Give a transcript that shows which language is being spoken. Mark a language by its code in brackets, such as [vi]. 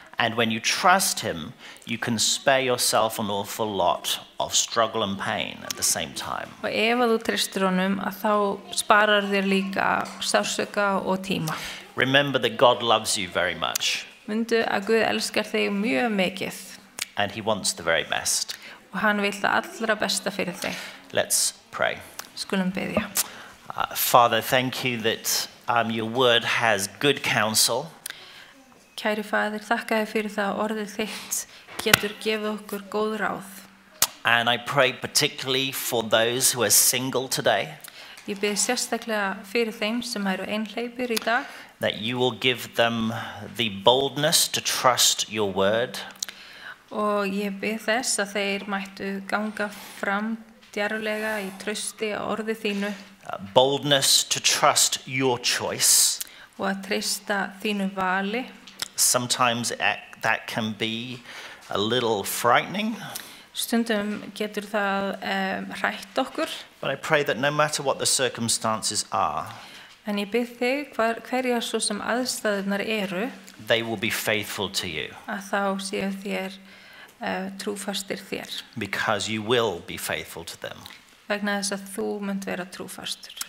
[en] And when you trust him, you can spare yourself an awful lot of struggle and pain at the same time. [is] Og ef þú treystir honum, að þá sparar þér líka sársauka og tíma. [en] Remember that God loves you very much. [is] Mundu að Guð elskar þig mjög mikið. [en] And he wants the very best. [is] Og hann vill það allra besta fyrir þig. [en] Let's pray. [is] Skulum biðja. [en] Father, thank you that your word has good counsel. [is] Kæri faðir, þakka þér fyrir það orðið þitt getur gefið okkur góð ráð. [en] And I pray particularly for those who are single today. [is] Ég bið sérstaklega fyrir þeim sem eru einhleypir í dag. [en] That you will give them the boldness to trust your word. [is] Og ég bið þess að þeir mættu ganga fram djarulega í trausti á orði þínu. [en] Boldness to trust your choice. [is] Og að treysta þínu vali. [en] Sometimes that can be a little frightening. [is] Stundum getur það hrætt okkur. [en] But I pray that no matter what the circumstances are. [is] En ég bið þig hverjar svo sem aðstæðurnar eru. [en] They will be faithful to you. [is] Að þá séu þér trúfastir þér. [en] Because you will be faithful to them. [is] vegna þess að þú munt vera trúfastur.